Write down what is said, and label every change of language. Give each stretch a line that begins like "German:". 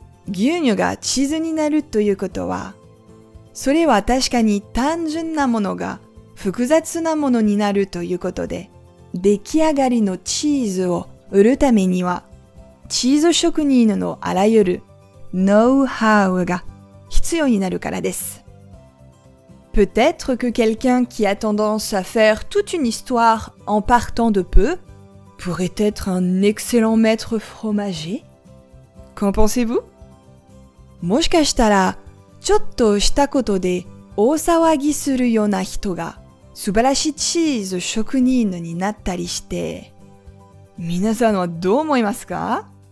Japanese: 牛乳がチーズになるということは、それは確かに単純なものが複雑なものになるということで、出来上がりのチーズを売るためには、チーズ職人のあらゆるノウハウが必要になるからです。
French: Peut-être que quelqu'un qui a tendance à faire toute une histoire en partant de peu pourrait être un excellent maître fromager. Qu'en pensez-vous ?
Japanese: もしかしたら、ちょっとしたことで大騒ぎするような人が素晴らしいチーズ職人になったりして、皆さんはどう思いますか？